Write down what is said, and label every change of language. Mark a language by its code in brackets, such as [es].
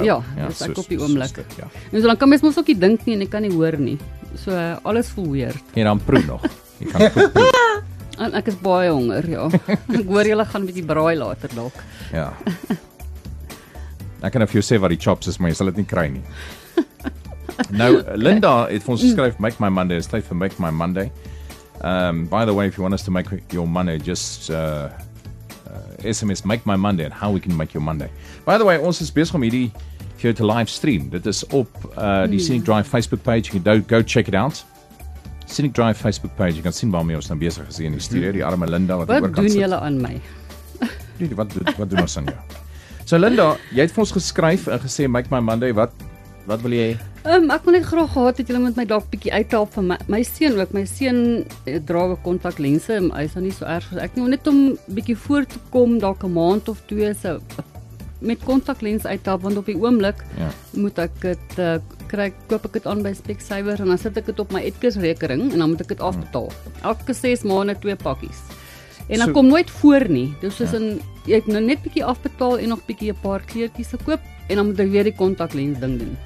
[af] Ja, dat is ek op die oomlik. En so dan kan mys ook nie dink nie en ek kan nie hoor nie. So, alles voel weird. En dan proe nog. Jy kan goed proe. En ek is baie honger, ja. Ek hoor julle gaan met die braai later, dok. Ja. Ek kan of jou sê wat die chops is, maar jy sal dit nie kry nie. Nou, Linda het vir ons geskryf, Make My Monday, is tyd vir Make My Monday. [en] By the way, if you want us to make your money, just SMS Make My Monday and how we can make your Monday. By the way, [af] ons is bezig om hierdie vir jou te live stream. Dit is op die Scenic Drive Facebook page. [en] You can go check it out. Scenic Drive Facebook page. You can see [af] waarmee ons nou bezig is in die studio. Die arme Linda. Wat doen julle aan my? wat doen ons aan jou? So Linda, jy het vir ons geskryf en gesê Make My Monday. Wat wil jy? Ek wil net graag gehad dat julle met my dalk bietjie uithelp van my seun ook. My seun dra ook kontaklense, maar hy is nou nie so erg soos ek nie. Net om bietjie voor te kom, dalk 'n maand of twee, so, met kontaklens uithelp, want op die oomblik moet ek het, koop ek het aan by Specsavers, en dan sit ek het op my Edgar's rekening, en dan moet ek het afbetaal. Elke 6 maande 2 pakkies. En dan kom nooit voor nie. Dus is een, jy het nou net bietjie afbetaal, en nog bietjie 'n paar kleertjies gekoop, en dan moet ek weer die contactlens ding doen.